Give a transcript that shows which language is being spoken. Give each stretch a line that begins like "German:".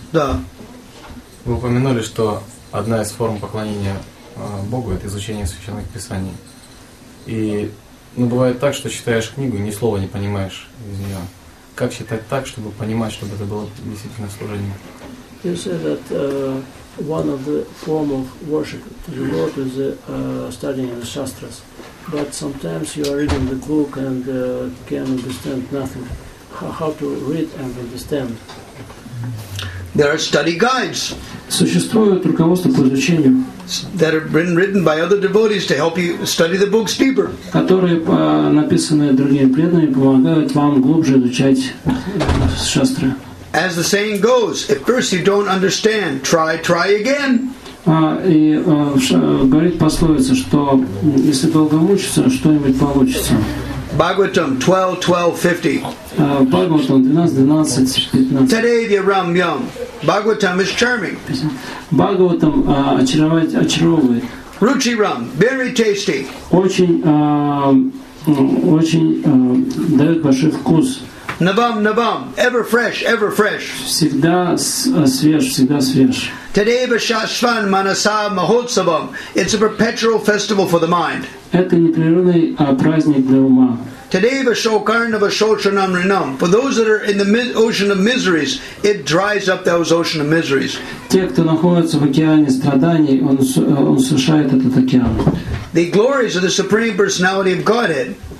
Russian: Да. Вы упомянули, что одна из форм поклонения Богу — это изучение священных писаний. И бывает так, что читаешь книгу и ни слова не понимаешь из нее. Как считать так, чтобы понимать, чтобы это было действительно служение?
English: You said that one of the form of worship to the Lord is studying the Shastras. But sometimes you are reading the book and can understand nothing. How to read and understand? There are study guides.
Russian: Существует руководство по изучению.
English: That have been written by other devotees to help you study the books deeper.
Russian: Которые написаны другими преданными, помогают вам глубже изучать шастры.
English: As the saying goes, if first you don't understand, try again.
Russian: Говорит пословица, что если долго мучиться, что-нибудь получится.
English: Bhagavatam 12:12:50.
Sanskrit: Tadevya Ramyam.
English: Bhagavatam is charming.
Russian: Bhagavatam очаровывает.
Sanskrit: Ruchi Ram,
English: very tasty.
Russian: Очень дает большой вкус.
English: Navam, ever fresh.
Russian: Всегда свеж, всегда свеж.
Sanskrit: Tadeva Shashvan Manasa Mahotsavam.
English: It's a perpetual festival for the mind.
Russian: Это непрерывный праздник для ума.
Sanskrit: Tadeva Shokarnava Shoshanam Rinam.
English: For those that are in the ocean of miseries, it dries up those ocean of miseries.
Russian: Те, кто находится в океане страданий, он сушает этот океан.
English: The glories of the Supreme Personality of Godhead.